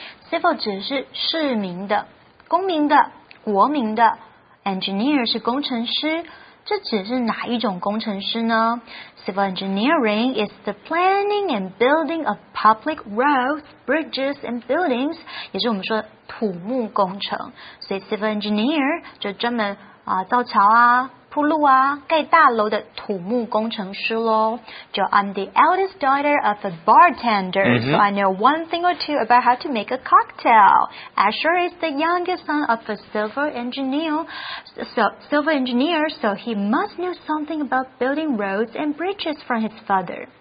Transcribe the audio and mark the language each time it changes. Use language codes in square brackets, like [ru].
[zh] Civil 指是市民的, 公民的, 国民的, engineer 是工程师, 这指是哪一种工程师呢? [en] Civil engineering is the planning and building of public roads, bridges, and buildings, [zh] 也是我们说土木工程。所以 civil engineer 就专门造桥啊, 铺路啊，盖大楼的土木工程师咯。 [en] So I'm the eldest daughter of a bartender,、mm-hmm. so I know one thing or two about how to make a cocktail. Asher is the youngest son of a civil engineer, so he must know something about building roads and bridges from his father.